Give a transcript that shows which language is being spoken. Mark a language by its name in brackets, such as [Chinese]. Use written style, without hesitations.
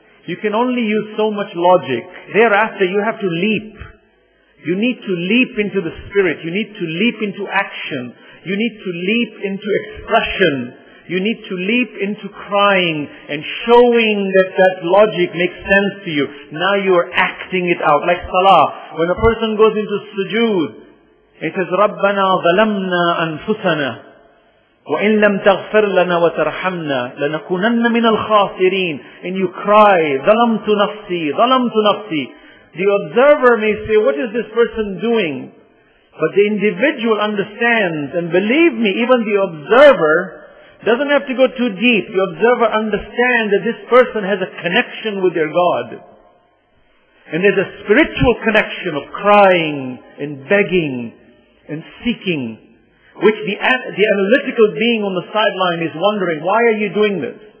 [English] You can only use so much logic. Thereafter, you have to leap. You need to leap into the spirit. You need to leap into action. You need to leap into expression. You need to leap into crying and showing that that logic makes sense to you. Now you are acting it out. Like salah. When a person goes into sujood, it says, [Arabic] رَبَّنَا ظَلَمْنَا أَنفُسَنَا وَإِنْ لَمْ تَغْفِرْ لَنَا وَتَرْحَمْنَا لَنَكُونَنَّ مِنَ الْخَاسِرِينَ [English] And you cry, [Arabic] ظَلَمْتُ نَفْسِي, ظَلَمْتُ نَفْسِي. [English] The observer may say, what is this person doing? But the individual understands, and believe me, even the observer doesn't have to go too deep. The observer understands that this person has a connection with their God. And there's a spiritual connection of crying and begging and seeking, which the analytical being on the sideline is wondering, why are you doing this?